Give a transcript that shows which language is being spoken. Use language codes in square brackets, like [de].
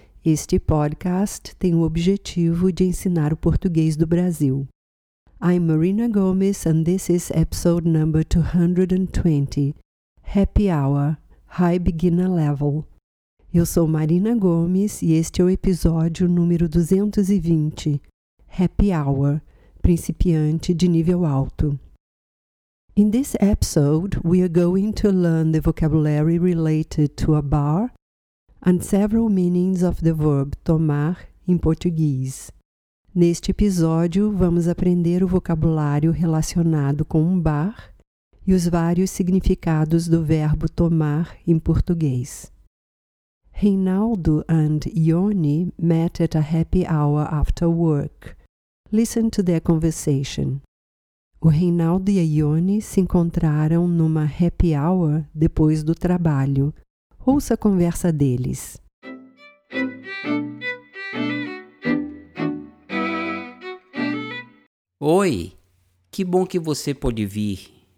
[pt] Este podcast tem o objetivo de ensinar o português do Brasil. [en] I'm Marina Gomes and this is episode number 220. Happy Hour, High Beginner Level. [pt] Eu sou Marina Gomes e este é o episódio número 220. Happy Hour, principiante de nível alto. [en] In this episode, we are going to learn the vocabulary related to a bar and several meanings of the verb tomar in Portuguese. [pt] Neste episódio, vamos aprender o vocabulário relacionado com um bar e os vários significados do verbo tomar em português. [en] Reinaldo and Ione met at a happy hour after work. Listen to their conversation. [pt] O Reinaldo e a Ione se encontraram numa happy hour depois do trabalho. Ouça a conversa deles. Oi, que bom que você pôde vir.